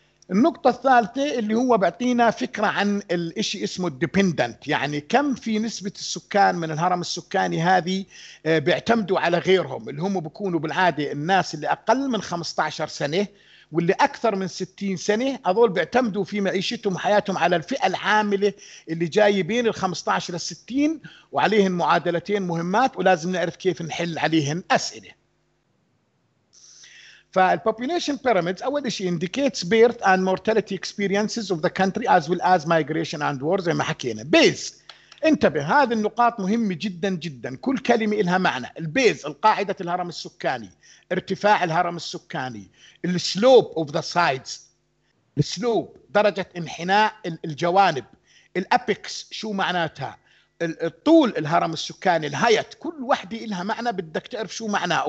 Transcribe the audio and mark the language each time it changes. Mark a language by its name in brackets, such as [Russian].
[Arabic] النقطة الثالثة اللي هو بعطينا فكرة عن الاشي اسمه الديبندنت، يعني كم في نسبة السكان من الهرم السكاني هذه بيعتمدوا على غيرهم، اللي هم بكونوا بالعادة الناس اللي أقل من 15 سنة واللي أكثر من 60 سنة، هذول بيعتمدوا في معيشتهم وحياتهم على الفئة العاملة اللي جاي بين ال 15 لل 60، وعليهم معادلتين مهمات ولازم نعرف كيف نحل عليهم أسئلة. [English] فالpopulation pyramids [Arabic] أول شيء [English] indicates birth and mortality experiences of the country as well as migration and war [Arabic] زي ما حكينا. بيز، انتبه هذه النقاط مهمة جدا جدا، كل كلمة إلها معنى. البيز القاعدة الهرم السكاني، ارتفاع الهرم السكاني، السلوب [English] of the sides، [Arabic] السلوب درجة انحناء الجوانب، الأبيكس شو معناتها، الطول الهرم السكاني الهيت، كل واحدة إلها معنى بدك تعرف شو معناه.